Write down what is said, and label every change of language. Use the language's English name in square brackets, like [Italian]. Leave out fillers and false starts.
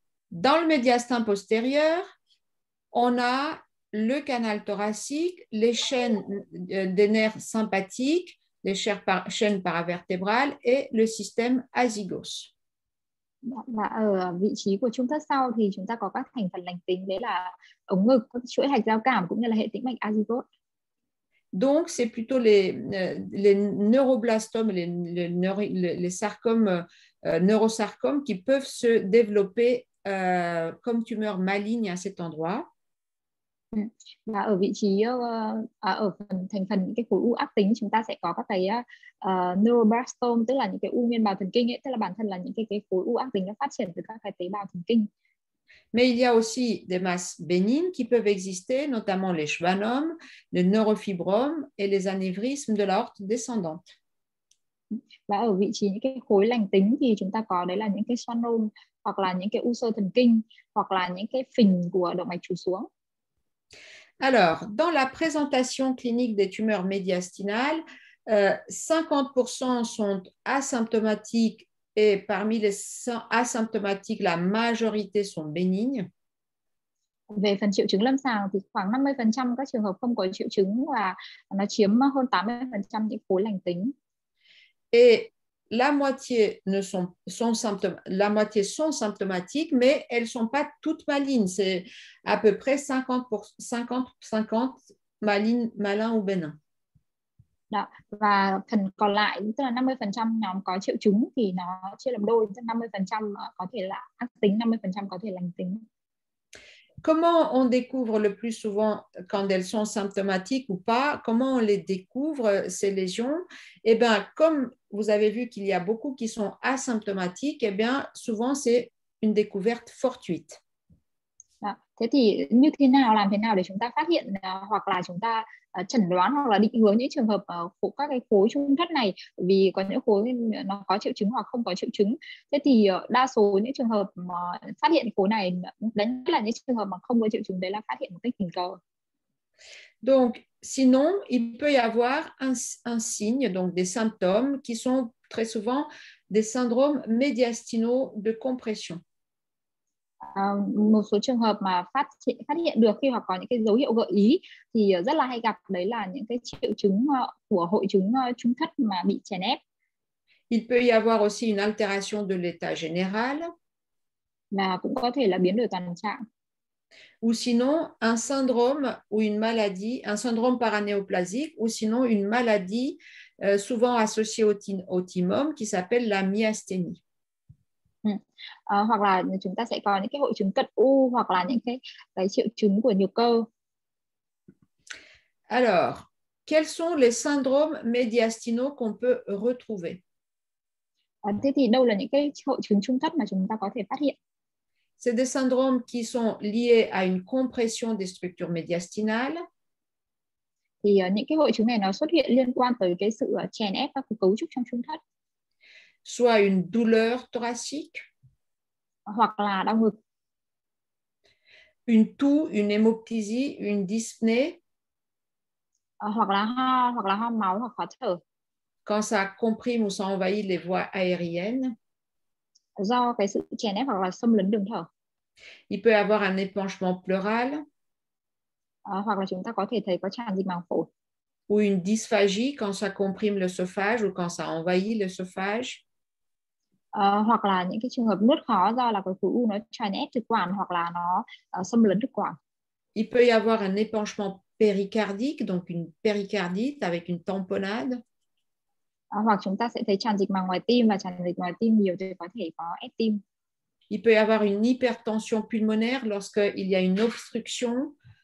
[French] Dans le médiastin postérieur, on a le canal thoracique, les chaînes des nerfs sympathiques, les chaînes paravertébrales et le système azygos. [Vietnamese] Và ở vị trí của trung thất sau thì chúng ta có các thành phần lành tính, đấy là ống ngực, chuỗi hạch giao cảm cũng như là hệ tĩnh mạch azygos. [French] Donc c'est plutôt les neuroblastomes, les sarcomes, neurosarcomes qui peuvent se développer comme tumeur maligne à cet endroit. [Vietnamese] Và ở vị trí ở phần thành phần những cái khối u ác tính, chúng ta sẽ có các cái neuroblastome, tức là những cái u nguyên bào thần kinh ấy, tức là bản thân là những cái khối u ác tính nó phát triển từ các cái tế bào thần kinh. [French] Mais il y a aussi des masses bénignes qui peuvent exister, notamment les schwannomes, les neurofibromes et les anévrismes de l'aorte descendante. [Vietnamese] Và ở vị trí những cái khối lành tính thì chúng ta có đấy là những cái schwannome hoặc là những cái u sơ thần kinh hoặc là những cái phình của động mạch chủ xuống. [French] Alors, dans la présentation clinique des tumeurs médiastinales, 50% sont asymptomatiques et parmi les asymptomatiques, la majorité sont bénignes. [Vietnamese] Về phần triệu chứng lâm sàng thì khoảng 50% các trường hợp không có triệu chứng và nó chiếm hơn 80% những khối lành tính. [French] Et la moitié ne sont symptômes, la moitié sont symptomatiques, mais elles sont pas toutes malignes. C'est à peu près 50-50 malignes, malins ou bénins. [Vietnamese] Đó. Và phần còn lại, tức là 50% nhóm có triệu chứng thì nó chia làm đôi, tức là 50% có thể là ác tính, 50% có thể lành tính. [French] Comment on découvre le plus souvent quand elles sont symptomatiques ou pas? Comment on les découvre, ces lésions? Eh bien, comme vous avez vu qu'il y a beaucoup qui sont asymptomatiques, eh bien, souvent, c'est une découverte fortuite. [Vietnamese] Thế thì, như thế nào, làm thế nào để chúng ta phát hiện hoặc là chúng ta chẩn đoán hoặc là định hướng những trường hợp các cái khối trung thất này, vì có những khối nó có triệu chứng hoặc không có triệu chứng. Thế thì đa số những trường hợp mà phát hiện khối này, đấy là những trường hợp mà không có triệu chứng, đấy là phát hiện một cách tình cờ. [French] Donc, Sinon, il peut y avoir un signe, donc des symptômes qui sont très souvent des syndromes médiastinaux de compression. [Vietnamese] Một số trường hợp mà phát hiện được khi hoặc có những cái dấu hiệu gợi ý thì rất là hay gặp đấy là những cái triệu chứng của hội chứng trung thất mà bị chèn ép. [French] Il peut y avoir aussi une altération de l'état général. [Vietnamese] Là cũng có thể là biến đổi toàn trạng. [French] Ou sinon un syndrome ou une maladie, un syndrome paranéoplasique ou sinon une maladie souvent associée au thymome qui s'appelle la myasthénie. [Vietnamese] Hoặc là chúng ta sẽ có những cái hội chứng cận u hoặc là những cái triệu chứng của nhược cơ. [French] Alors, quels sont les syndromes médiastinaux qu'on peut retrouver? [Vietnamese] Thế thì đâu là những cái hội chứng trung thất mà chúng ta có thể phát hiện? [French] C'est des syndromes qui sont liés à une compression des structures médiastinales. [Vietnamese] Thì những cái hội chứng này nó xuất hiện liên quan tới cái sự chèn ép các cấu trúc trong trung thất. [French] Soit une douleur thoracique, [Vietnamese] hoặc là đau ngực, [French] une toux, une hémoptysie, une dyspnée, [Vietnamese] hoặc là ho máu, hoặc khó thở, [French] quand ça comprime ou ça envahit les voies aériennes, [Vietnamese] do cái sự chèn ép hoặc là xâm lấn đường thở. [French] Il peut avoir un épanchement pleural, [Vietnamese] hoặc là chúng ta có thể thấy có tràn dịch màng phổi. [French] Ou une dysphagie quand ça comprime l'œsophage ou quand ça envahit l'œsophage. [Vietnamese] Hoặc là những cái trường hợp nuốt khó do là cái khối u nó chèn ép thực quản hoặc là nó xâm lấn thực quản. [French] Il peut y avoir un épanchement péricardique, donc une péricardite avec une tamponade. [Vietnamese] Hoặc chúng ta sẽ thấy tràn dịch màng ngoài tim và tràn dịch ngoài tim nhiều thì có thể có ép tim. [French] Il peut y avoir une hypertension pulmonaire lorsqu'il y a une obstruction.